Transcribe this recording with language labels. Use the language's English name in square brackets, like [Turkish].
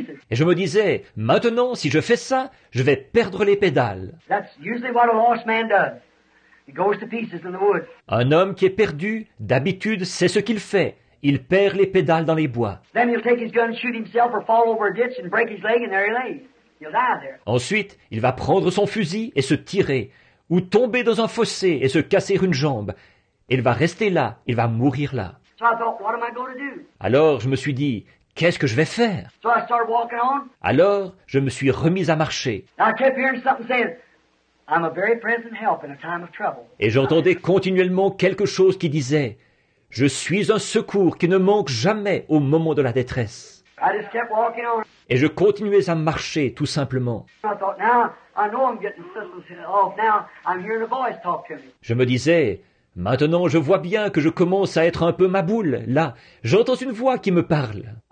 [French] Et je me disais, maintenant, si je fais ça, je vais perdre les pédales. [English] That's usually what a lost man does. He goes to pieces in the woods. [French] Un homme qui est perdu, d'habitude, c'est ce qu'il fait. Il perd les pédales dans les bois. [English] Then he'll take his gun and shoot himself or fall over a ditch and break his leg and there he lays. He'll die there. [French] Ensuite, il va prendre son fusil et se tirer, ou tomber dans un fossé et se casser une jambe. Il va rester là, il va mourir là. [English] So I thought, what am I going to do? [French] Alors je me suis dit, qu'est-ce que je vais faire? [English] So I started walking on. [French] Alors je me suis remis à marcher. [English] I kept hearing something saying, I'm a very present help in a time of trouble. [French] Et j'entendais continuellement quelque chose qui disait, je suis un secours qui ne manque jamais au moment de la détresse. [English] I just kept walking on. [French] Et je continuais à marcher tout simplement. [English] I thought, now I know I'm getting systems off. Now I'm hearing a voice talk to me. [French] Je me disais, maintenant, je vois bien que je commence à être un peu ma boule, là. J'entends une voix qui me parle.